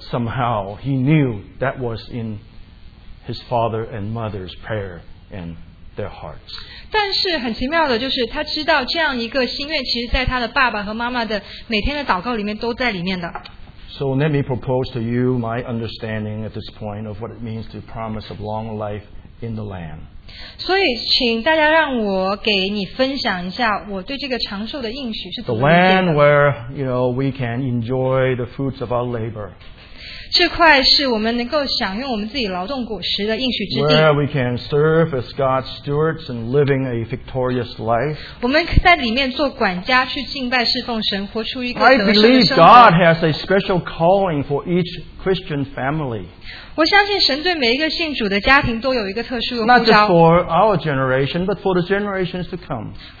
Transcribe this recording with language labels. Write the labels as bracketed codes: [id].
[en] somehow, he knew that was in his father and mother's prayer and their hearts. [zh] 但是很奇妙的就是，他知道这样一个心愿，其实在他的爸爸和妈妈的每天的祷告里面都在里面的。 [en] So let me propose to you my understanding at this point of what it means to promise a long life in the land. [zh] 所以请大家让我给你分享一下我对这个长寿的应许是怎么理解的。 [en] The land where, we can enjoy the fruits of our labor. [zh] 这块是我们能够享用我们自己劳动果实的应许之地。 [en] Where we can serve as God's stewards and living a victorious life. [zh] 我们在里面做管家去敬拜侍奉神，活出一个得胜的生活。 [en] I believe God has a special calling for each Christian family. [zh] 我相信神对每一个信主的家庭都有一个特殊的呼召。 [en] Not just for our generation, but for the generations to come.